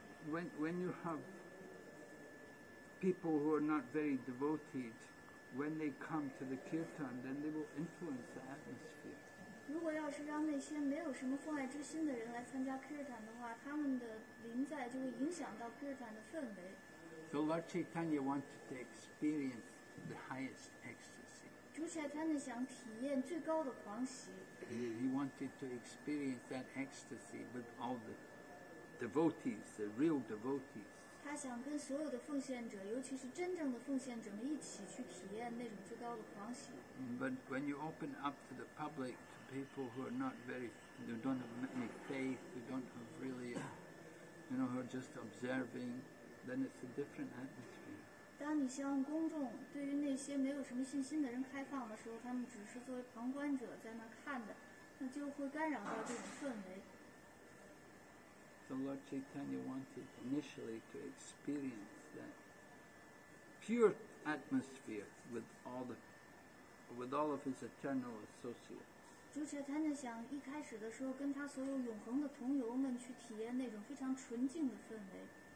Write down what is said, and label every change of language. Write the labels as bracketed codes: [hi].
[en] When you have people who are not very devoted, when they come to the kirtan, then they will influence the atmosphere. [zh] 如果要是让那些没有什么奉爱之心的人来参加 kirtan 的话，他们的临在就会影响到 kirtan 的氛围。 [en] So Lord Chaitanya wanted to experience the highest ecstasy. [zh] 主柴坦尼亚想体验最高的狂喜。 [en] He wanted to experience that ecstasy with all the devotees, the real devotees. [zh] 他想跟所有的奉献者，尤其是真正的奉献者们一起去体验那种最高的狂喜。 [en] But when you open up to the public, to people who are not very, who don't have any faith, who don't have really, you know, who are just observing, then it's a different atmosphere. [zh] 当你向公众对于那些没有什么信心的人开放的时候，他们只是作为旁观者在那看的，那就会干扰到这种氛围。 [en] So Lord Chaitanya wanted initially to experience that pure atmosphere with all of his eternal associates. [zh] 主柴坦尼亚想一开始的时候跟他所有永恒的同游们去体验那种非常纯净的氛围。